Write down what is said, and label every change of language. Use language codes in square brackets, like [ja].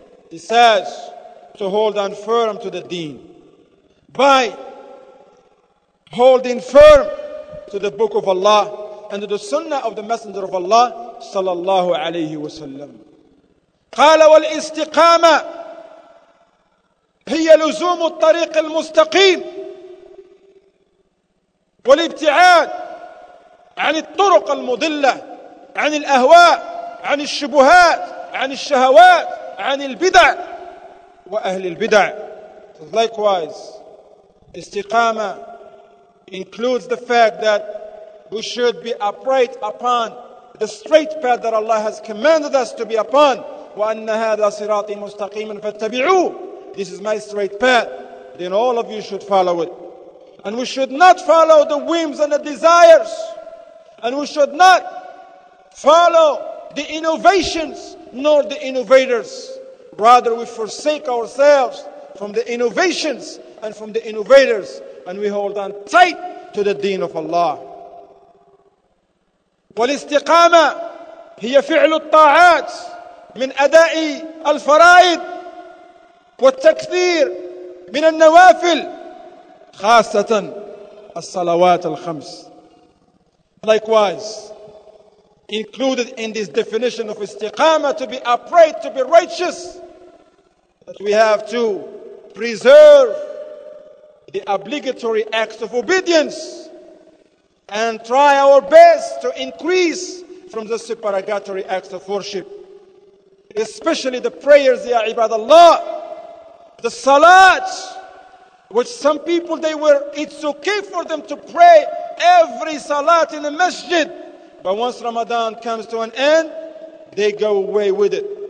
[en] He says, to hold on firm to the deen by holding firm to the book of Allah and to the sunnah of the Messenger of Allah sallallahu alayhi wa sallam. [ar] قال والاستقامة هي لزوم الطريق المستقيم والابتعاد عن الطرق المضلة, عن الأهواء, عن الشبهات, عن الشهوات, عن البدع وأهل البدع. [en] Likewise, istiqama includes the fact that we should be upright upon the straight path that Allah has commanded us to be upon. [ar] وأن هذا صراطي مستقيما فاتبعوه. [en] This is my straight path. Then all of you should follow it. And we should not follow the whims and the desires. And we should not follow the innovations nor the innovators. Rather, we forsake ourselves from the innovations and from the innovators, and we hold on tight to the deen of Allah. [ar] والاستقامة هي فعل الطاعات من أداء الفرائض والتكثير من النوافل خاصة الصلوات الخمس. [en] Likewise, included in this definition of istiqama, to be upright, to be righteous, that we have to preserve the obligatory acts of obedience and try our best to increase from the supererogatory acts of worship, especially the prayers, ya ibadallah, the salat, which some people, they were, it's okay for them to pray every salat in the masjid, but once Ramadan comes to an end, they go away with it.